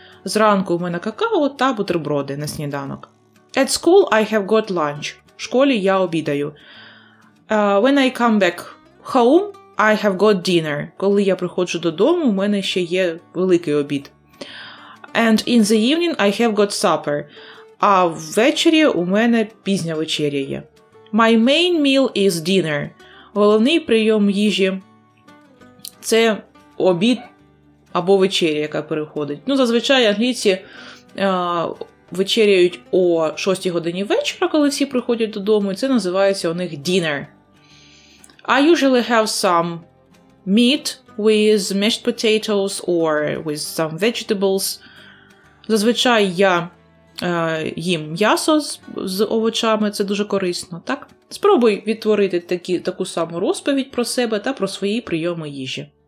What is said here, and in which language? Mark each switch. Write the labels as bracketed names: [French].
[Ukrainian] Зранку у мене какао та бутерброди на сніданок. [English] At school I have got lunch. [Ukrainian] В школі я обідаю. [English] When I come back home, I have got dinner. [Ukrainian] Коли я приходжу додому, у мене ще є великий обід. [English] And in the evening I have got supper. [Ukrainian] А ввечері у мене пізня вечеря є. [English] My main meal is dinner. [Ukrainian] Головний прийом їжі – це обід або вечеря, яка переходить. Ну, зазвичай англійці вечеряють о 6 годині вечора, коли всі приходять додому, і це називається у них dinner. [English] I usually have some meat with mashed potatoes or with some vegetables. [Ukrainian] Зазвичай я їм м'ясо з овочами, це дуже корисно, так? Спробуй відтворити таку саму розповідь про себе та про свої прийоми їжі.